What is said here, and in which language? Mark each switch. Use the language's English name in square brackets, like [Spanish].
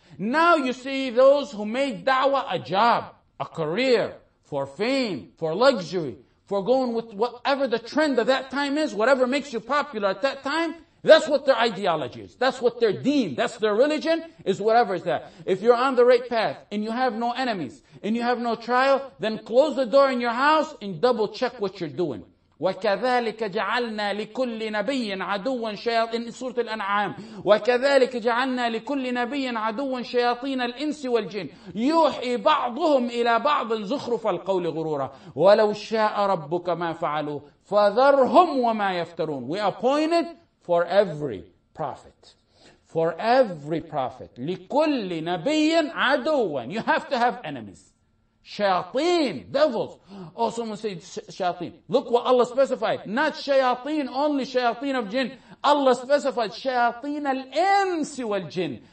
[English] Now you see those who made da'wah a job, a career, for fame, for luxury, for going with whatever the trend of that time is, whatever makes you popular at that time, that's what their ideology is. That's what their deen, that's their religion, is whatever is that. If you're on the right path and you have no enemies and you have no trial, then close the door in your house and double check what you're doing. [Arabic] وَكَذَلِكَ جَعَلْنَا لِكُلِّ نَبِيٍ عَدُوًا شَيَاطٍ [English] In Surah Al-An'am. [Arabic] وَكَذَلِكَ جَعَلْنَا لِكُلِّ نَبِيٍ عَدُوًا شَيَاطِينَ الْإِنسِ وَالْجِنِ يُوحِي بَعْضُهُمْ إِلَى بَعْضٍ زُخْرُفَ الْقَوْلِ غُرُورًا وَلَوْ شَاءَ رَبُّكَ مَا فَعَلُوهُ فَذَرْهُمْ وَمَا يَفْتَرُونَ [English] We appointed for every prophet. For every prophet. [Arabic] لِكُلِّ نَبِيٍ عَدُوًا [English] You have to have enemies. Shayateen, devils. Oh, someone said shayateen. Look what Allah specified. Not shayateen, only shayateen of jinn. Allah specified shayateen al-insi wal-jinn.